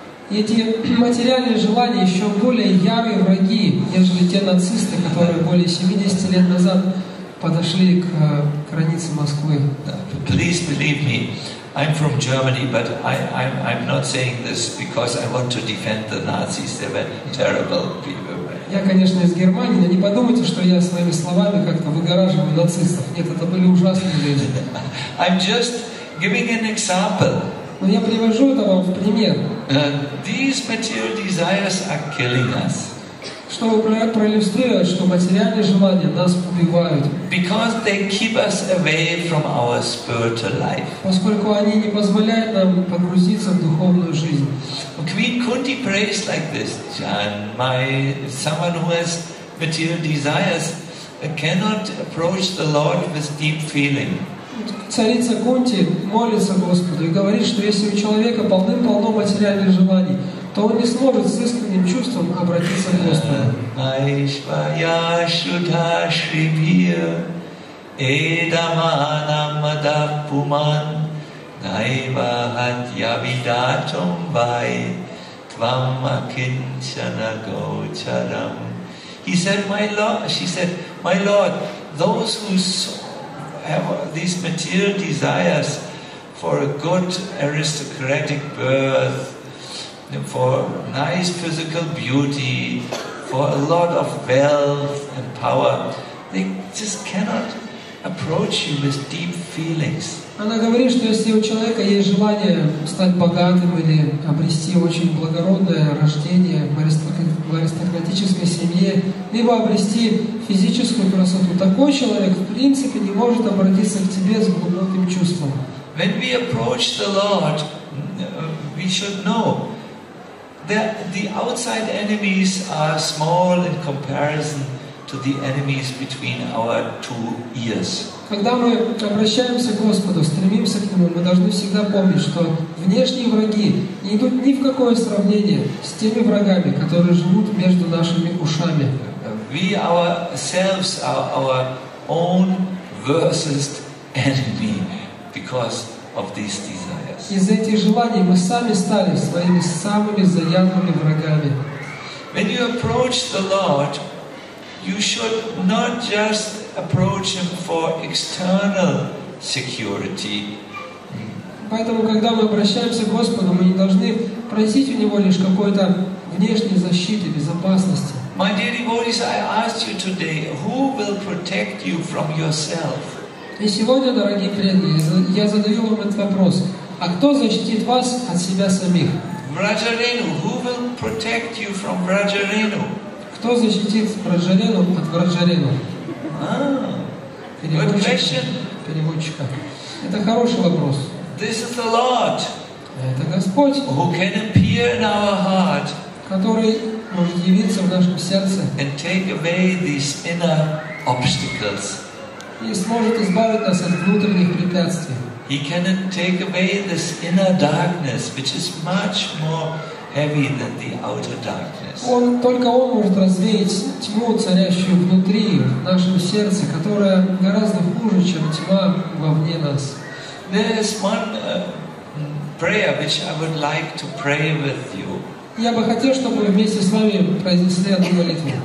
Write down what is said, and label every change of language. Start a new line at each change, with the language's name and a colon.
Russian: Эти материальные желания еще более ярые враги, нежели те нацисты, которые более 70 лет назад подошли к границе Москвы.
English: Please believe me, I'm from Germany, but I'm not saying this because I want to defend the Nazis. They were terrible people.
Russian: Я, конечно, из Германии, но не подумайте, что я своими словами как-то выгораживаю нацистов. Нет, это были ужасные люди.
English: I'm just giving an example.
Russian: Но я привожу это вам в пример.
English: These material desires are killing us.
Russian: Чтобы проиллюстрировать, что материальные желания нас убивают.
English: Because they keep us away from our spiritual life.
Russian: Поскольку они не позволяют нам погрузиться в духовную жизнь.
English: Queen Kunti prays like this, Jan, my someone who has material desires cannot approach the Lord with deep feeling.
Russian: Царица Кунти молится Господу и говорит, что если у человека полным-полно материальных желаний, то он не сможет с искренним чувством обратиться к Господу.
Sanskrit: Майшвая шута шрибия эдамана мадапуман найва хатья видачом бай твамма кинчана гоучарам.
English: He said, my Lord, she said, my Lord, those who have these material desires for a good aristocratic birth, for nice physical beauty, for a lot of wealth and power, they just cannot approach you with deep feelings.
Russian: Она говорит, что если у человека есть желание стать богатым или обрести очень благородное рождение в аристократической семье, либо обрести физическую красоту, такой человек в принципе не может обратиться к тебе с глубоким чувством.
English: When we approach the Lord, we should know that the outside enemies are small in comparison to the enemies between our two ears.
Russian: Когда мы обращаемся к Господу, стремимся к Нему, мы должны всегда помнить, что внешние враги не идут ни в какое сравнение с теми врагами, которые живут между нашими ушами.
English: We ourselves are our own worst enemy because of these desires.
Russian: Из-за этих желаний мы сами стали своими самыми заядлыми врагами.
English: When you approach the Lord, you should not just approach Him for external security.
Russian: Поэтому, когда мы обращаемся к Господу, мы не должны просить у Него лишь какой-то внешней защиты, безопасности.
English: My dear devotees, I ask you today, who will protect you from yourself?
Russian: И сегодня, дорогие преданные, я задаю вам этот вопрос: а кто защитит вас от себя самих?
English: Vrajarenu, who will protect you from Vrajarenu?
Russian: Кто защитит Vrajarenu от Vrajarenu?
English: Good question.
Russian: Переводчика. Это хороший вопрос.
English: This is the Lord.
Russian: Это Господь.
English: Who can appear in our heart?
Russian: который может явиться в нашем сердце
English: and take away these inner obstacles.
Russian: И сможет избавить нас от внутренних препятствий.
English: He can take away this inner darkness, which is much more heavy than the outer darkness.
Russian: Он только он может развеять тьму, царящую внутри нашего сердца, которая гораздо хуже, чем тьма вовне нас.
English: There is one prayer which I would like to pray with you.
Russian: Я бы хотел, чтобы вы вместе с вами произнесли эту молитву.